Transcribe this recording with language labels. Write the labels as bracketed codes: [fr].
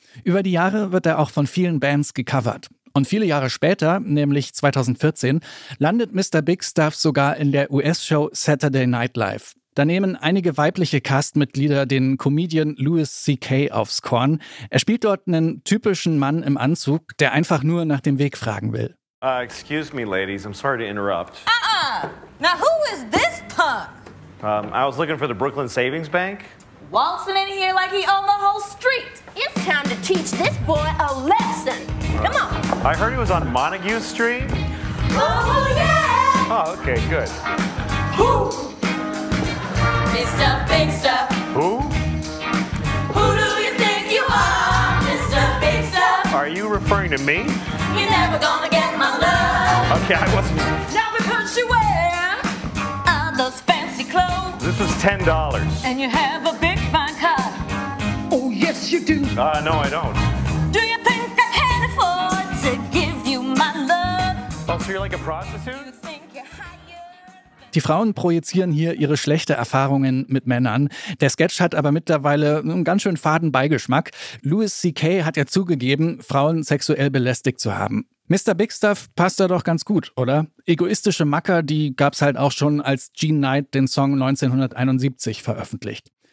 [de] Über die Jahre wird er auch von vielen Bands gecovert. Und viele Jahre später, nämlich 2014, landet Mr. Big Stuff sogar in der US-Show Saturday Night Live. Da nehmen einige weibliche Castmitglieder den Comedian Louis C.K. aufs Korn. Er spielt dort einen typischen Mann im Anzug, der einfach nur nach dem Weg fragen will. [en] Excuse me, ladies, I'm sorry to interrupt. Now who is this punk? I was looking for the Brooklyn Savings Bank. Waltzing in here like he owned the whole street. It's time to teach this boy a lesson. Come on. I heard he was on Montague Street. Oh, yeah. Oh, okay, good. Who? Mr. Big Stuff. Who? Who do you think you are, Mr. Big Stuff? Are you referring to me? You're never gonna get my love. Okay, I wasn't. Now we put you wear all those fancy clothes. This is $10. And you have a big fine car. Oh, yes, you do. No, I don't. Do you think I can afford to give you my love? Oh, so you're like a prostitute? You think you're high? [de] Die Frauen projizieren hier ihre schlechte Erfahrungen mit Männern. Der Sketch hat aber mittlerweile einen ganz schön faden Beigeschmack. Louis C.K. hat ja zugegeben, Frauen sexuell belästigt zu haben. Mr. Big Stuff passt da doch ganz gut, oder? Egoistische Macker, die gab's halt auch schon, als Gene Knight den Song 1971 veröffentlicht.